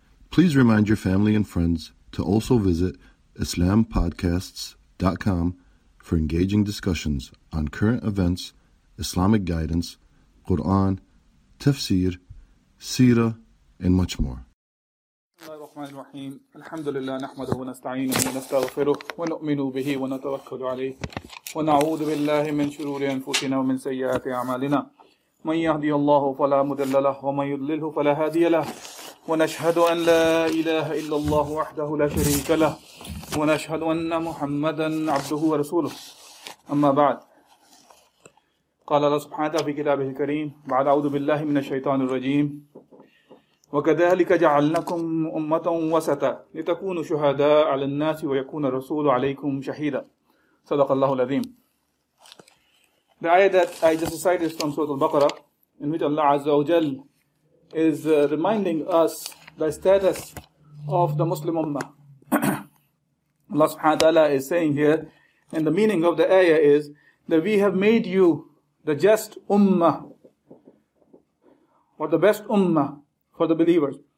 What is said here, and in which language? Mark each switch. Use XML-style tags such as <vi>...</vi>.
<en>Please remind your family and friends to also visit IslamPodcasts.com for engaging discussions on current events, Islamic guidance, Quran, tafsir, seerah, and much more.</en> <ar>الحمد لله نحمده ونستعينه ونستغفره ونؤمن به ونتوكل عليه ونعوذ بالله من شرور أنفسنا ومن سيئات أعمالنا من يهدي الله فلا مضل له ومن يضلله فلا هادي له ونشهد أن لا إله إلا الله وحده لا شريك له ونشهد أن محمدا عبده ورسوله أما بعد قال الله سبحانه في كتابه الكريم بعد أعوذ بالله من الشيطان الرجيم وَكَذَلِكَ جَعَلْنَكُمْ أُمَّةً وَسَطًا لِتَكُونُوا شُهَدَاءَ عَلَى النَّاسِ وَيَكُونَ الرَّسُولُ عَلَيْكُمْ شَهِيدًا صَدَقَ اللَّهُ الْعَظِيمُ.</ar> <en>The ayah that I just recited is from Surah Al-Baqarah, in which Allah Azza wa Jal is reminding us the status of the Muslim Ummah. Allah subhanahu wa ta'ala is saying here, and the meaning of the ayah is that we have made you the just Ummah, or the best Ummah, for the believers.</en>